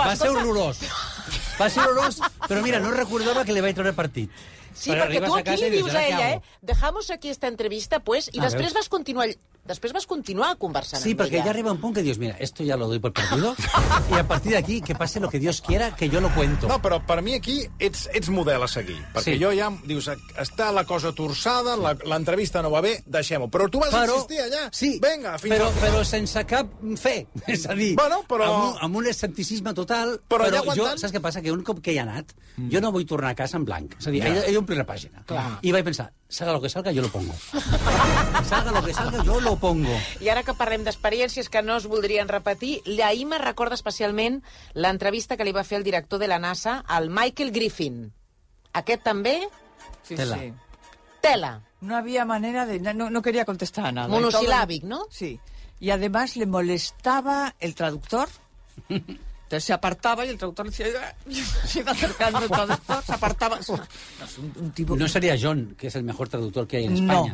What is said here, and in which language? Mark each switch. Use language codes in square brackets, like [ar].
[ca] va ser horrorós. Va ser horrorós, però mira, no recordava que li vaig treure partit. Sí, perquè tu aquí li dius a ella, [es] dejamos aquí esta entrevista, pues, [ca] i després vas continuar... Després vas continuar conversant sí, perquè ella. Ja arriba un punt que dius, mira, [es] esto ya lo doy por perdido, y a partir de aquí, que pase lo que Dios quiera, que yo lo cuento. [ca] No, però per mi aquí ets model a seguir. Perquè sí. Jo ja, dius, està la cosa torçada, l'entrevista no va bé, deixem-ho. Però tu vas insistir allà. Sí. Venga, fins però, a... però sense cap fe, és a dir, bueno, però... amb un escepticisme total. Però allà jo, saps què passa? Que un cop que he anat, jo no vull tornar a casa en blanc. És a dir, ja. He omplit la pàgina. Clar. I vaig pensar... [es] Salga lo que salga, yo lo pongo. Salga lo que salga, yo lo pongo. [ca] I ara que parlem d'experiències que no es voldrien repetir, ahir me recorda especialment l'entrevista que li va fer el director de la NASA, al Michael Griffin. Aquest també? Sí, tela. Sí. Tela. No havia manera de... [es] No quería contestar nada. [ca] Monosilàbic, no? Sí. [es] I, además, le molestava el traductor... Entonces se apartaba y el traductor decía, se iba acercando el traductor, se apartaba. Un tipo... No sería John, que es el mejor traductor que hay en España.